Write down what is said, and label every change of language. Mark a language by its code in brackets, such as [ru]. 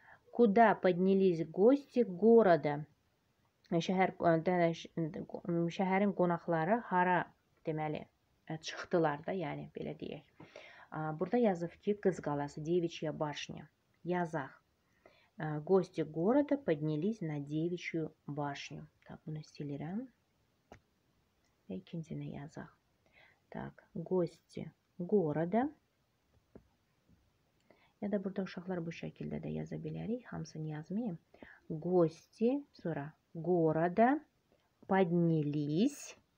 [ru] Куда поднялись гости города? [az] Şəhərin qonaqları hara deməli çıxdılar da, yəni belə deyək. Burada yazıb ki, qız qalası, [ru] devichya başnya. [az] Yazaq. [ru] Гости города поднялись на девичью башню. [az] Так, bunu silirəm. İkincini yazaq. [ru] Так, гости города. [az] Ya da burada uşaqlar bu şəkildə də yaza bilərik. Hamısını yazmayayım. [ru] Гости, sonra города поднялись.